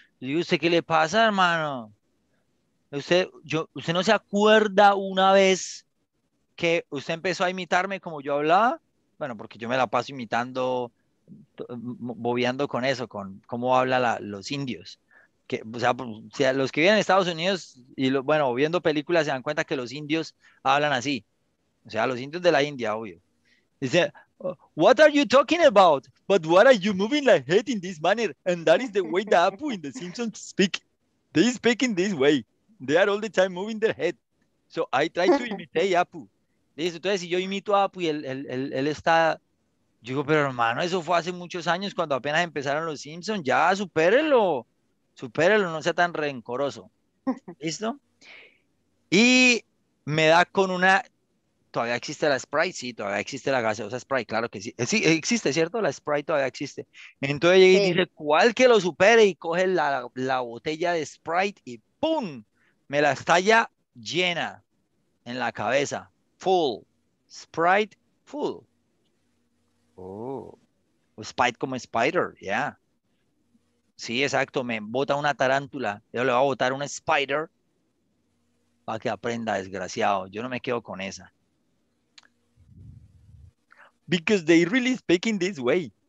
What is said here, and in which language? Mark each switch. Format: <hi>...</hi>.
<es>Y yo, ¿usted qué le pasa, hermano? ¿Usted no se acuerda una vez que usted empezó a imitarme como yo hablaba? bueno, porque yo me la paso imitando, bobeando con eso, con cómo hablan los indios. Que, o sea, los que viven en Estados Unidos, viendo películas, se dan cuenta que los indios hablan así. O sea, los indios de la India, obvio. Dice,</es> <en>what are you talking about? But what are you moving like head in this manner? And that is the way the Apu in the Simpsons speak. They speak in this way. They are all the time moving their head. So I try to imitate Apu.</en> <es>Entonces, si yo imito a Apu y él está... Yo digo, pero hermano, eso fue hace muchos años cuando apenas empezaron los Simpsons. Ya, supérelo. Supérelo, no sea tan rencoroso. ¿Listo? Y me da con una... Todavía existe la Sprite, sí, todavía existe la gaseosa Sprite, claro que sí. Sí, existe, ¿cierto? La Sprite todavía existe. Entonces llega y dice, ¿cuál que lo supere? Y coge la botella de Sprite y ¡pum! Me la estalla llena en la cabeza.</es> <en>Full. Sprite, full. Oh. Sprite</en> <es>como</es> <en>spider, yeah.</en> <es>Sí, exacto, me bota una tarántula. Yo le voy a botar un spider para que aprenda, desgraciado. Yo no me quedo con esa.</es> <en>Because they really speak in this way.</en>